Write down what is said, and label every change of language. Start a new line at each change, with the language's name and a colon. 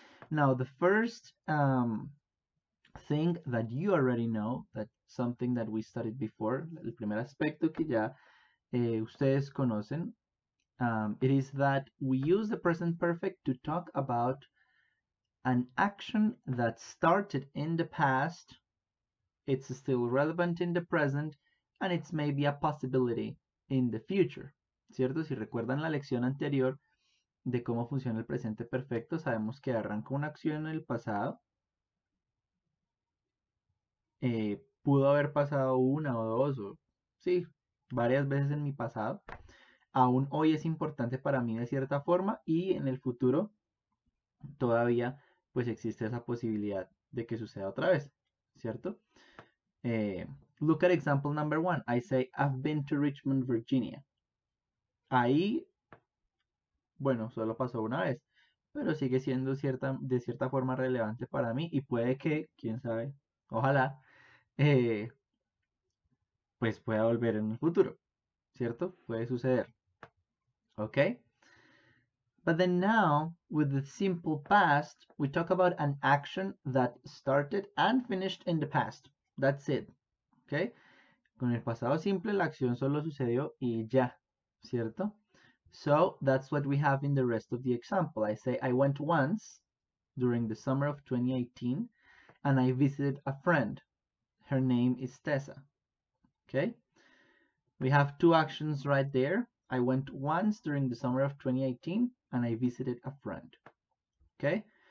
English: Now, the first thing that you already know, that something that we studied before,
Spanish: el primer aspecto que ya ustedes conocen,
English: it is that we use the present perfect to talk about an action that started in the past, it's still relevant in the present, and it's maybe a possibility in the future.
Spanish: ¿Cierto? Si recuerdan la lección anterior de cómo funciona el presente perfecto, sabemos que arranca una acción en el pasado. Pudo haber pasado una o dos, o sí, varias veces en mi pasado. Aún hoy es importante para mí de cierta forma y en el futuro todavía pues existe esa posibilidad de que suceda otra vez, ¿cierto?
English: Look at example number one. I say, I've been to Richmond, Virginia.
Spanish: Ahí, bueno, solo pasó una vez, pero sigue siendo de cierta forma relevante para mí y puede que, quién sabe, ojalá, pues pueda volver en el futuro, ¿cierto? Puede suceder.
English: Okay, but then now with the simple past, we talk about an action that started and finished in the past. That's it.
Spanish: Okay, con el pasado simple, la acción solo sucedió y ya, ¿cierto?
English: So that's what we have in the rest of the example. I say, I went once during the summer of 2018 and I visited a friend. Her name is Tessa. Okay, we have two actions right there. I went once during the summer of 2018 and I visited a friend. Okay?